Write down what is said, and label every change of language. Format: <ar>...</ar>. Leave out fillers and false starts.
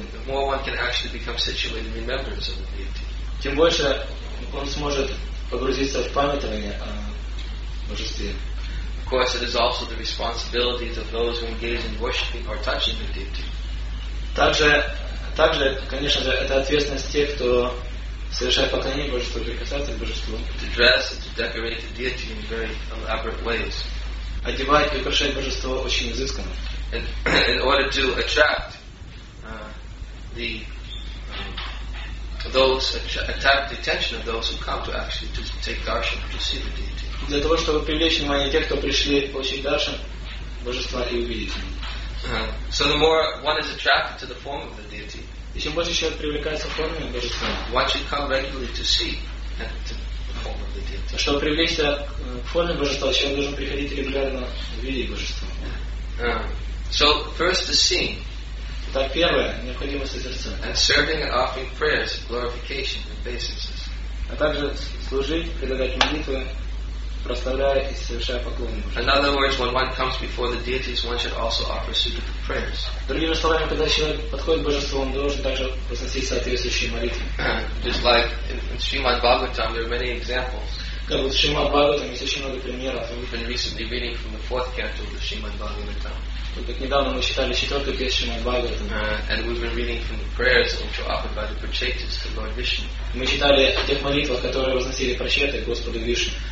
<en>the more one can actually become situated in remembrance of the deity.</en> <ru>Тем больше он сможет погрузиться в памятование о божестве.</ru> <en>Of course, it is also the responsibilities of those who engage in worshiping or touching the deity.</en> <ru>Также, конечно же, это ответственность тех, кто совершает поклонение Божеству, прикасается к Божеству.</ru> <en>To dress and to decorate the deity in very elaborate ways.</en> <ru>Одевать и украшать Божество очень изысканно.</ru> <en>And in order to attract the those attract the attention of those who come to actually to take darshan to see the deity.</en> <ru>Для того, чтобы привлечь внимание тех, кто пришли получить даршан Божества и увидеть его.</ru> <en>So the more one is attracted to the form of the deity,</en> <ru>и чем больше человек привлекается к форме Божества,</ru> <en>one should come regularly to see the form of the deity.</en> <ru>Чтобы привлечься к форме Божества, человек должен приходить регулярно видеть Божество.</ru> <en>So first the seeing.</en> <ru>Так первое, необходимость созерцания.</ru> <en>And serving and offering prayers, glorification, and obeisances.</en> <ru>А также служить, предлагать молитвы, проставляя и совершая поклоны.</ru> <en>In other words, when one comes before the deities, one should also offer suitable prayers.</en> <ru>Другими словами, когда человек подходит к Божеству, он должен также произносить соответствующие молитвы.</ru> <en>Just like in Srimad Bhagavatam, there are many examples.</en> <ru>Как в Шримад Бхагаватам есть очень много примеров.</ru> <en>We've been recently reading from the fourth canto of the Srimad Bhagavatam.</en> <ru>Так недавно мы читали четвертую песню Шримад Бхагаватам.</ru> <en>And we've been reading from the prayers which were offered by the Prachetas to Lord Vishnu.</en> <ru>Мы читали о тех молитвах, которые возносили Прачеты Господу Вишну.</ru>